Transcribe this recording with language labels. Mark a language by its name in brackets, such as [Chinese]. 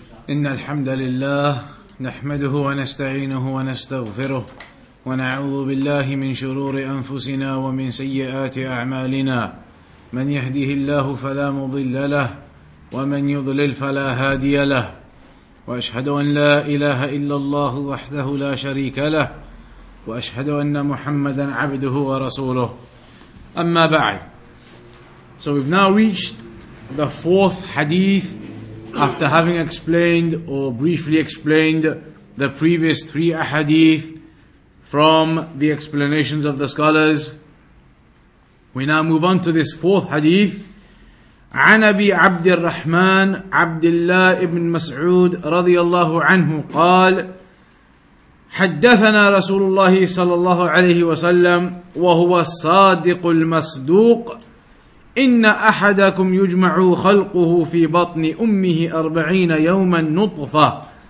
[Arabic] إن الحمد لله نحمده ونستعينه ونستغفره ونعوذ بالله من شرور أنفسنا ومن سيئات أعمالنا من يهده الله فلا مضل له ومن يضلل فلا هادي له وأشهد أن لا إله إلا الله وحده لا شريك له وأشهد أن محمدا عبده ورسوله أما بعد. [English] So we've now reached the fourth hadith after having explained or briefly explained the previous three ahadith from the explanations of the scholars. We now move on to this fourth hadith. [Arabic] عن أبي عبد الرحمن عبد الله بن مسعود رضي الله عنه قال حدثنا رسول الله صلى الله عليه وسلم وهو الصادق المصدوق إن أحدكم يجمع خلقه في بطن أمه 40 يوما نطفة